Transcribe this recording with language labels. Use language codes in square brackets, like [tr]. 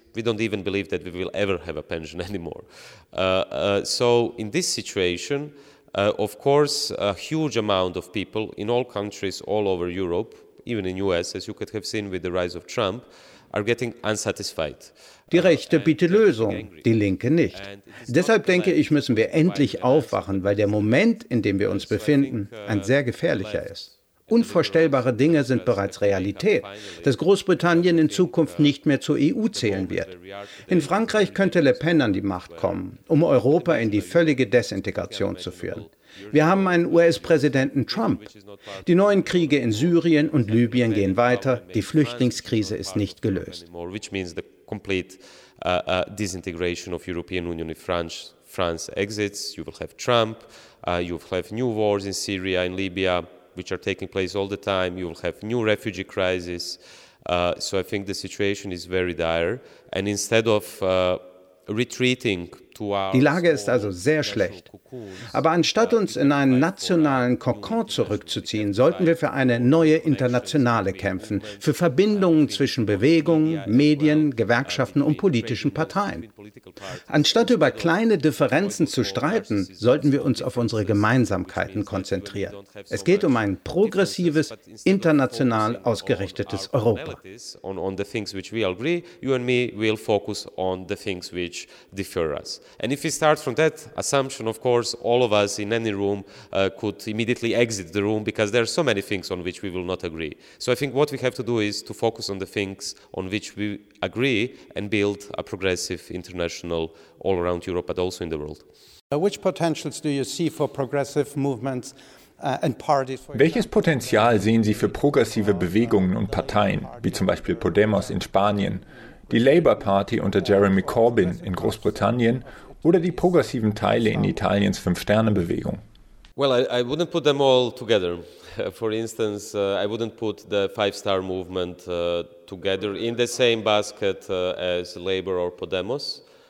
[en] we don't even believe that we will ever have a pension anymore. So in this situation, of course, a huge amount of people in all countries all over Europe, even in US, as you could have seen with the rise of Trump, are getting unsatisfied. [de] Die Rechte bietet Lösung, die Linke nicht. Deshalb denke ich, müssen wir endlich aufwachen, weil der Moment, in dem wir uns befinden, ein sehr gefährlicher ist. Unvorstellbare Dinge sind bereits Realität. Dass Großbritannien in Zukunft nicht mehr zur EU zählen wird. In Frankreich könnte Le Pen an die Macht kommen, um Europa in die völlige Desintegration zu führen. Wir haben einen US-Präsidenten Trump. Die neuen Kriege in Syrien und Libyen gehen weiter. Die Flüchtlingskrise ist nicht gelöst. [en] Which means the complete disintegration of European Union if France exits. You will have Trump. You will have new wars in Syria and Libya, which are taking place all the time. You will have new refugee crises. So I think the situation is very dire. And instead of retreating to our... [de] Die Lage ist also sehr schlecht. Aber anstatt uns in einen nationalen Kokon zurückzuziehen, sollten wir für eine neue Internationale kämpfen, für Verbindungen zwischen Bewegungen, Medien, Gewerkschaften und politischen Parteien. Anstatt über kleine Differenzen zu streiten, sollten wir uns auf unsere Gemeinsamkeiten konzentrieren. Es geht um ein progressives, international ausgerichtetes Europa. [en] On the things which we agree, you and me will focus on the things which differ us. And if we start from that assumption, of course, all of us in any room could immediately exit the room because there are so many things on which we will not agree. So I think what we have to do is to focus on the things on which we agree and build a progressive international all around Europe but also in the world. Which potentials do you see for progressive movements and parties? [de] Welches Potenzial sehen Sie für progressive Bewegungen und Parteien, wie zum Beispiel Podemos in Spanien, die Labour Party unter Jeremy Corbyn in Großbritannien oder die progressiven Teile in Italiens Fünf-Sterne-Bewegung? [en] Well, I wouldn't put them all together. For instance, I wouldn't put the Five-Star Movement together in the same basket as Labour or Podemos.